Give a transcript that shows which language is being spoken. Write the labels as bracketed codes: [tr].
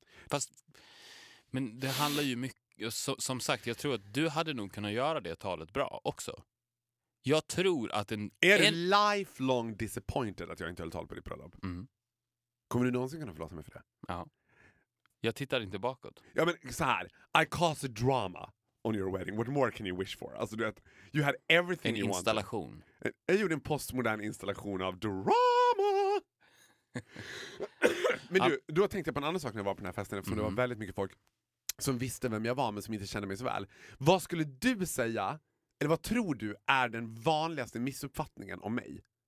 [sv] fast, men det handlar ju mycket, som sagt, jag tror att du hade nog kunnat göra det talet bra också. Jag tror att är du [en] lifelong disappointed [sv] att jag inte höll tal på ditt bröllop? Mm. Kommer du någonsin kunna förlåta mig för det? Ja. Jag tittar inte bakåt. Ja, men så här. [en] I caused a drama on your wedding. What more can you wish for? [sv] Alltså, du vet, [en] you had everything [sv] en [en] you installation. Wanted. [sv] Jag gjorde en postmodern installation av drama. Men du, då tänkte jag på en annan sak när jag var på den här festen. Eftersom det var väldigt mycket folk som visste vem jag var men som inte kände mig så väl. Vad skulle du säga, eller vad tror du är den vanligaste missuppfattningen om mig?